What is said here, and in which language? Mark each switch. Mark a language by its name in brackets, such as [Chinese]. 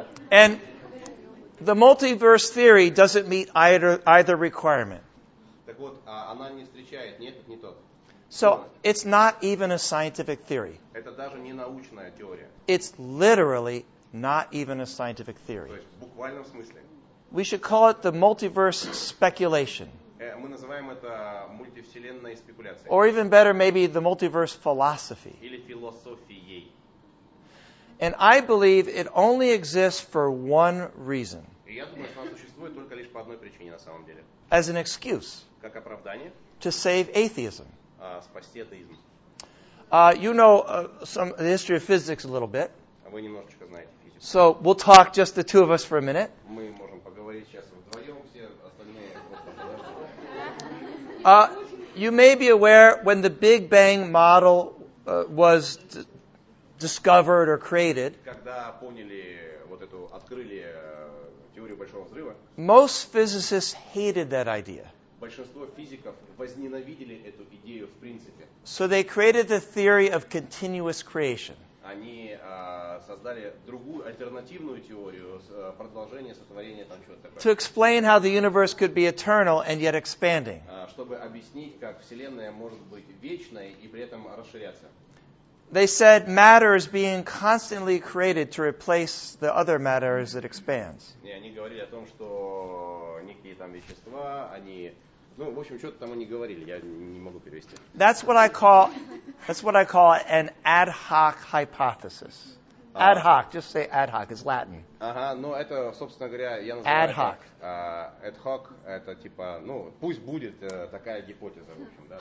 [English] And the multiverse theory doesn't meet either requirement. [Russian] Так вот, она не встречает ни этот, ни тот. [English] So it's not even a scientific theory. [Russian] Это даже не научная теория. [English] It's literally not even a scientific theory. [Russian] То есть, в буквальном смысле. [English] We should call it the multiverse speculation. [Russian] Мы называем это мультивселенной спекуляцией. [English] Or even better, maybe the multiverse philosophy. [Russian] Или философией. [English] And I believe it only exists for one reason. [Russian] И я думаю, что оно существует только лишь по одной причине на самом деле. [English] As an excuse. [Russian] Как оправдание. [English] To save atheism. [Russian] Спасти атеизм. [English] You know some the history of physics a little bit. [Russian] Вы немножечко знаете физику. [English] So we'll talk just the two of us for a minute. [Russian] Мы можем поговорить сейчас вдвоем, все остальные просто [English] You may be aware when the Big Bang model was discovered or created. [Russian] Когда поняли вот эту открыли теорию большого взрыва. [English] Most physicists hated that idea. [Russian] Большинство физиков возненавидели эту идею в принципе. [English] So they created the theory of continuous creation. [Russian] Они создали другую альтернативную теорию продолжения сотворения там чего-то такое. [English] To explain how the universe could be eternal and yet expanding. [Russian] Чтобы объяснить, как вселенная может быть вечной и при этом расширяться. [English] They said matter is being constantly created to replace the other matter as it expands. [Russian] Не, они говорили о том, что некие там вещества, они, ну, в общем, что-то там они говорили, я не могу перевести. [English] That's what I call an ad hoc hypothesis. Ad hoc, just say ad hoc, it's Latin. [Russian] Ага, ну это, собственно говоря, я называю [Latin] ad hoc. [Russian] Ad hoc это типа, ну, пусть будет такая гипотеза, в общем, да.